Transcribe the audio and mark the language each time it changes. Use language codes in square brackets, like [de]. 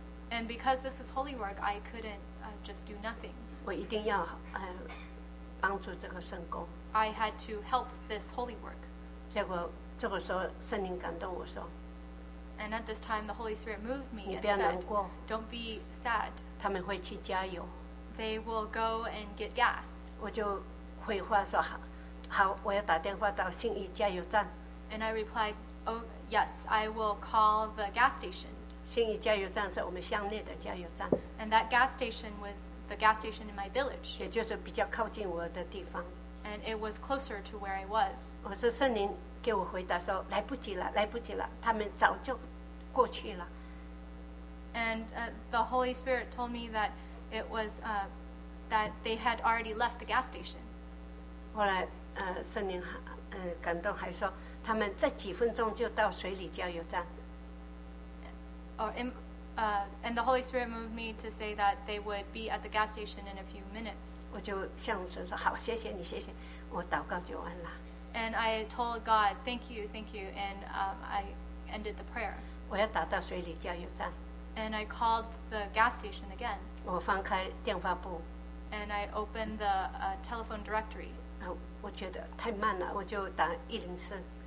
[en] And because this was holy work, I couldn't just do nothing. [zh] 我一定要, 帮助这个圣工。 [en] I had to help this holy work. [zh] 结果这个时候圣灵感动我说, [en] And at this time, the Holy Spirit moved me and said, Don't be sad. [zh] 他们会去加油。 [en] They will go and get gas. [zh] 我就回话说, 好, 我要打电话到信义加油站。 [en] And I replied, Oh, yes, I will call the gas station. [zh] 信义加油站是我们乡内的加油站。 [en] And that gas station was the gas station in my village. [zh] 也就是比较靠近我的地方。 [en] And it was closer to where I was. [zh] 我说圣灵给我回答说, 来不及了, 来不及了, 他们早就过去了。 [en] And the Holy Spirit told me that it was that they had already left the gas station. [zh] 后来, 圣灵, 感动还说, 他们在几分钟就到水里加油站。 [en] And the Holy Spirit moved me to say that they would be at the gas station in a few minutes. [zh] 我就向神说, 好, 谢谢你, 谢谢, 我祷告就完了。 [en] And I told God, thank you, and I ended the prayer. [zh] 我要打到水里加油站。 [en] And I called the gas station again. [zh] 我翻开电话簿。 [en] And I opened the telephone directory. [zh] 我觉得太慢了, 我就打104。